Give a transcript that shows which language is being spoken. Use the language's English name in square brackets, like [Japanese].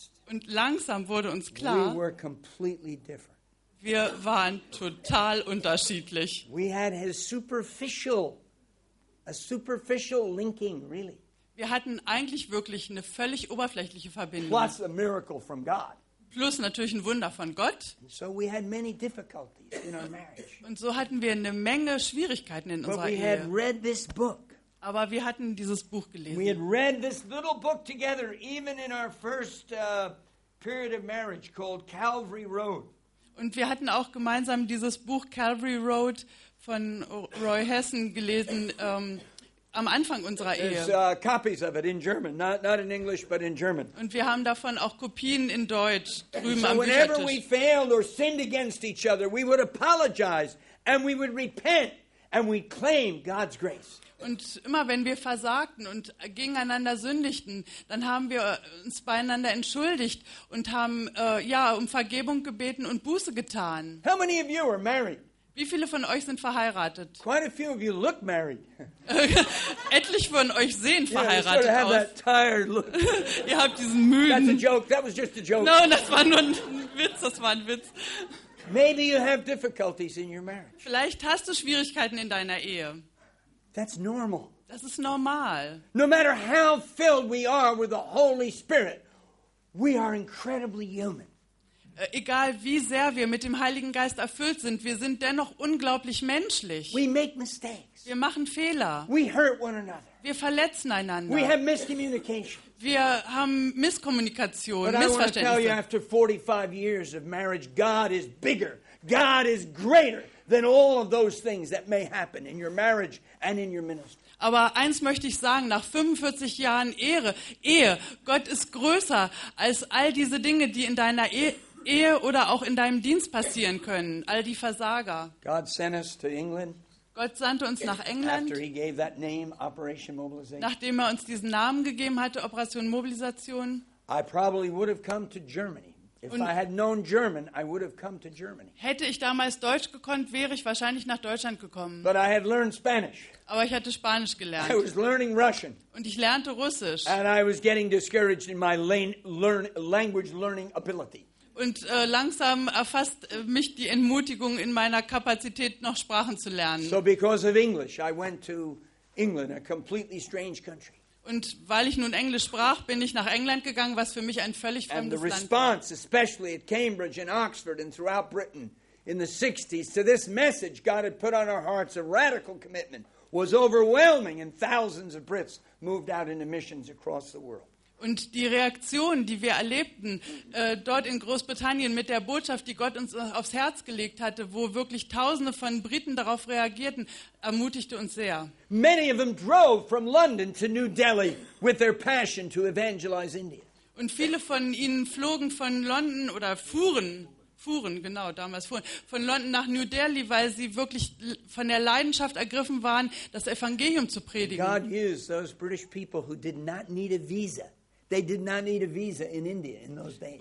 [German] und langsam wurde uns klar, [English] we were completely different. [German] Wir waren total unterschiedlich. [English] We had a superficial linking, really. [German] Wir hatten eigentlich wirklich eine völlig oberflächliche Verbindung. [English] Plus a miracle from God. [German] Plus natürlich ein Wunder von Gott. [English] And so we had many difficulties in our marriage. [German] Und so hatten wir eine Menge Schwierigkeiten in [English] But [German] unserer [English] we [German] Ehe. [English] Had read this book. [German] Aber wir hatten dieses Buch gelesen. [English] We had read this little book together, even in our first period of marriage called Calvary Road. [German] Und wir hatten auch gemeinsam dieses Buch Calvary Road von Roy Hessen gelesen. Am Anfang unserer Ehe. [English] Copies of it in German, not in English, but in German. [German] Und wir haben davon auch Kopien in Deutsch drüben am Büchertisch. [English] Whenever we failed or sinned against each other, we would apologize and we would repent and we claim God's grace. [German] Und immer wenn wir versagten und gegeneinander sündigten, dann haben wir uns beieinander entschuldigt und haben um Vergebung gebeten und Buße getan. [English] How many of you are married? [German] Wie viele von euch sind verheiratet? [English] Quite a few of you look married. [German] Etliche von euch sehen verheiratet [English] you sort of [German] aus. [English] Have that tired look. [German] Ihr habt diesen müden. [English] That's a joke. That was just a joke. [German] No, das war nur ein Witz. Das war ein Witz. [English] Maybe you have difficulties in your marriage. [German] Vielleicht hast du Schwierigkeiten in deiner Ehe. [English] That's normal. [German] Das ist normal. [English] No matter how filled we are with the Holy Spirit, we are incredibly human. [German] Egal wie sehr wir mit dem Heiligen Geist erfüllt sind, wir sind dennoch unglaublich menschlich. [English] We make mistakes. [German] Wir machen Fehler. [English] We hurt one another. [German] Wir verletzen einander. [English] We have miscommunication. [German] Wir haben Misskommunikation, Missverständnisse. [English] But I want to tell you, after 45 years of marriage, God is bigger. God is greater than all of those things that may happen in your marriage and in your ministry. [German] Aber eins möchte ich sagen, nach 45 Jahren Ehe, Gott ist größer als all diese Dinge, die in deiner Ehe oder auch in deinem Dienst passieren können, all die Versager. [English] God sent us to England. [German] Gott sandte uns nach England, [English] after he gave that name, Operation Mobilization. [German] Nachdem er uns diesen Namen gegeben hatte, Operation Mobilisation. [English] I probably would have come to Germany. If I had known German, I would have come to Germany. [German] Hätte ich damals Deutsch gekonnt, wäre ich wahrscheinlich nach Deutschland gekommen. [English] But I had learned Spanish. [German] Aber ich hatte Spanisch gelernt. [English] I was learning Russian. [German] Und ich lernte Russisch. [English] And I was getting discouraged in my language learning ability. [German] Und langsam erfasst mich die Entmutigung in meiner Kapazität, noch Sprachen zu lernen. [English] So because of English, I went to England, a completely strange country. [German] Und weil ich nun Englisch sprach, bin ich nach England gegangen, was für mich ein völlig fremdes Land war. [English] And the response, especially at Cambridge and Oxford and throughout Britain in the 60s, to this message God had put on our hearts, a radical commitment, was overwhelming, and thousands of Brits moved out into missions across the world. [German] Und die Reaktion, die wir erlebten dort in Großbritannien mit der Botschaft, die Gott uns aufs Herz gelegt hatte, wo wirklich Tausende von Briten darauf reagierten, ermutigte uns sehr. [English] Many of them drove from London to New Delhi with their passion to evangelize India. [German] Und viele von ihnen flogen von London oder fuhren von London nach New Delhi, weil sie wirklich von der Leidenschaft ergriffen waren, das Evangelium zu predigen. [English] God used those British people who did not need a visa. They did not need a visa in India in those days.